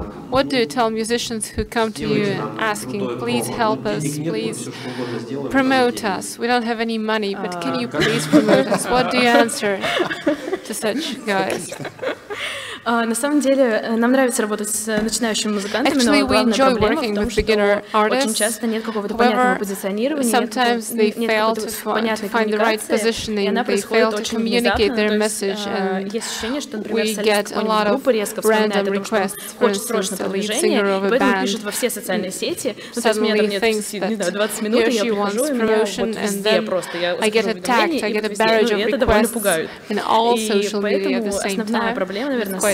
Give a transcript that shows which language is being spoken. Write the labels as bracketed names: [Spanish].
[English] What do you tell musicians who come to you asking, please help us, please promote us? We don't have any money, but can you please promote us? What do you answer to such guys? [Russian] На самом деле, нам нравится работать с начинающими музыкантами, но [English] actually, we enjoy working with beginner artists. [Russian] Очень часто нет какого-то понятного позиционирования. [English] Sometimes they fail to find the right positioning. They fail to communicate their message, and we get a lot of random requests. For instance, a lead singer of a band suddenly thinks that he or she wants promotion, and then I get attacked. I get a barrage of requests in all social media at the same time.